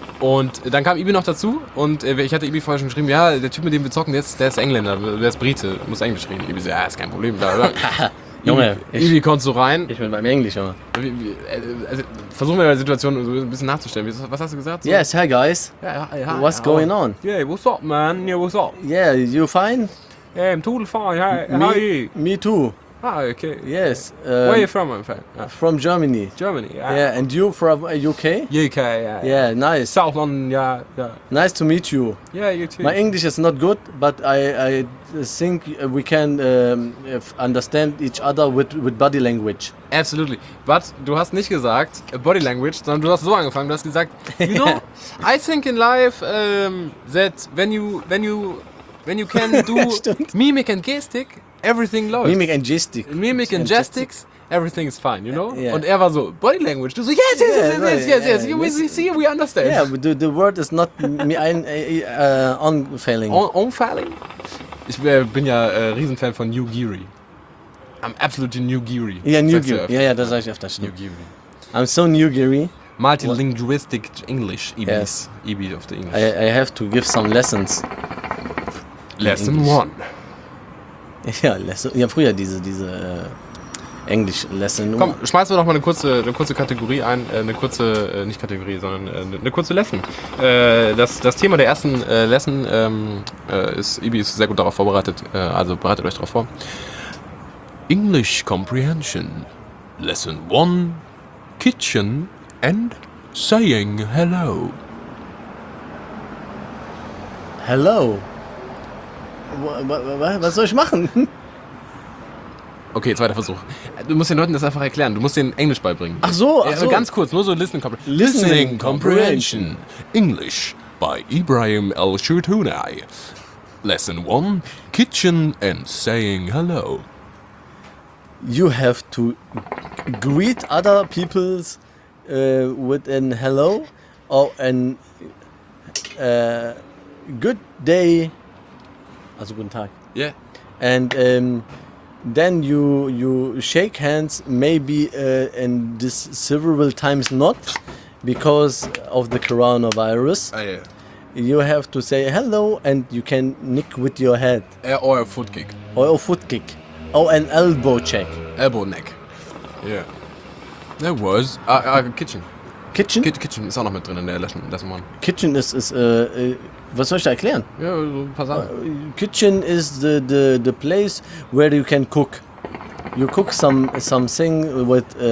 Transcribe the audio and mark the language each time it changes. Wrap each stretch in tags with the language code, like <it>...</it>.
<de>Und dann kam Ibi noch dazu und ich hatte Ibi vorher schon geschrieben, ja, der Typ, mit dem wir zocken, der ist Engländer, der ist Brite, muss Englisch reden. Ibi so, ja, ist kein Problem. Junge, Ibi kommt so rein. Ich bin beim Englisch, Junge. Also, versuchen wir mal die Situation so ein bisschen nachzustellen. Was hast du gesagt? So?</de> <en>Yes, hi guys. Yeah, hi, what's going on? Yeah, what's up, man? Yeah, what's up? Yeah, you fine? Yeah, I'm totally fine. Hi, how are you? Me too. Ah, okay. Yes. Where are you from, my friend? From Germany. Germany, yeah. Yeah, and you from UK? UK, yeah. Yeah, nice. South London, yeah, yeah. Nice to meet you. Yeah, you too. My English is not good, but I think we can understand each other with body language. Absolutely. But</en> <de>du hast nicht gesagt</de> <en>body language,</en> <de>sondern du hast so angefangen, du hast gesagt,</de> <en>you know, I think in life that when you can do mimic and gestik, everything läuft. Mimic and gestik. Mimic and gestics, everything is fine, you know?</en> <de>Yeah. Und er war so,</de> <en>body language.</en> <de>Du so,</de> <en>yes. We understand. Yeah, but the word is not unfailing. Unfailing?</en> <de>Ich bin ja Riesenfan von New Geary.</de> <en>I'm absolutely New Geary. Yeah, New Geary.</en> <de>Ja, das sag ich öfter schon.</de> <en>New Geary. I'm so New Geary. Multilinguistic English, EB. Yes. EB of the English. I have to give some lessons. Lesson one.</en> <de>Ja, Lesson, ja, früher diese Englisch-Lesson. Komm, schmeißen wir doch mal eine kurze Kategorie ein. Eine kurze, nicht Kategorie, sondern eine kurze Lesson. Das Thema der ersten Lesson ist, Ibi ist sehr gut darauf vorbereitet. Also bereitet euch darauf vor.</de> <en>English Comprehension. Lesson 1. Kitchen and saying hello. Hello.</en> <de>Was soll ich machen? Okay, zweiter Versuch. Du musst den Leuten das einfach erklären. Du musst denen Englisch beibringen. Ach so. Also ganz kurz, nur so Listening</de> <en>Comprehension. Listening Comprehension. English by Ibrahim El-Shirtunai. Lesson 1. Kitchen and saying hello. You have to greet other people with an hello or an good day.</en> <de>Also guten Tag.</de> <en>Yeah. And then you shake hands, maybe in this several times not, because of the coronavirus. Ah, yeah. You have to say hello and you can nick with your head. Or a foot kick. Oh, an elbow check. Elbow neck. Yeah. There was kitchen. Kitchen?</en> <de>Kitchen ist auch noch mit drin in der letzten Mal. Kitchen ist was soll ich da erklären? Ja, so ein paar Sachen.</de> <en>Kitchen is the place where you can cook. You cook something with</en>